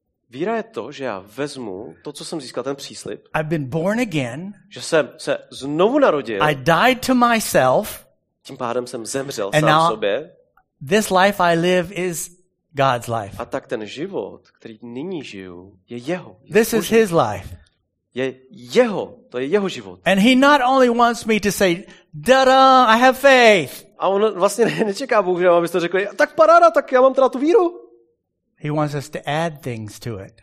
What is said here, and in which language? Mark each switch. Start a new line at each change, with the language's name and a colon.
Czech: Víra je to, že já vezmu to, co jsem získal, ten příslib.
English: I've been born again.
Czech: Že jsem se znovu narodil.
English: I died to myself.
Czech: Tím pádem jsem zemřel
English: and
Czech: sám
English: now,
Czech: sobě.
English: This life I live is God's life.
Czech: A tak ten život, který nyní žiju, je jeho. Je
English: this Boží. Is his life.
Czech: Je jeho, to je jeho život.
English: And he not only wants me to say, da-da, I have faith.
Czech: A on vlastně nečeká Bůh, že abyste řekli, tak paráda, tak já mám teda tu víru.
English: He wants us to add things to it.